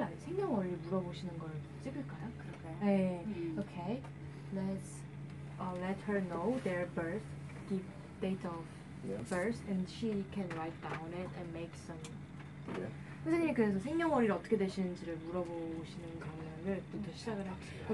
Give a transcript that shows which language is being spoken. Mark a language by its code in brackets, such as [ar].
[ko] Ah, 생년월일 물어보시는 걸 찍을까요? 그럴까요? 네. Okay. [en] Let's let her know their birth, the date of birth, and she can write down it and make some. Yeah. [ko] 선생님 그래서 생년월일 어떻게 되시는지를 물어보시는 장면을부터 시작을 하시죠.